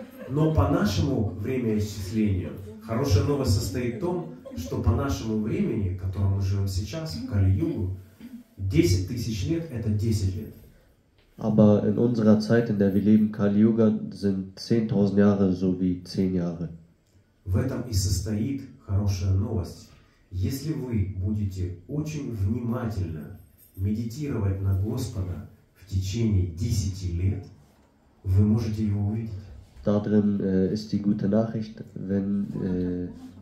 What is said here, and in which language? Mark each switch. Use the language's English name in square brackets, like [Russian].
[Russian] Но по нашему времени исчисления, хорошая новость состоит в том, что по нашему времени, в котором мы живем сейчас, в Кали-Югу, 10 тысяч лет – это 10 лет. [German] Aber in unserer Zeit, in der wir leben, Kali-Yuga, sind 10.000 Jahre so wie 10 Jahre. [Russian] В этом и состоит хорошая новость. Если вы будете очень внимательно медитировать на Господа в течение 10 лет, вы можете его увидеть. [German] Darin ist die gute Nachricht, wenn...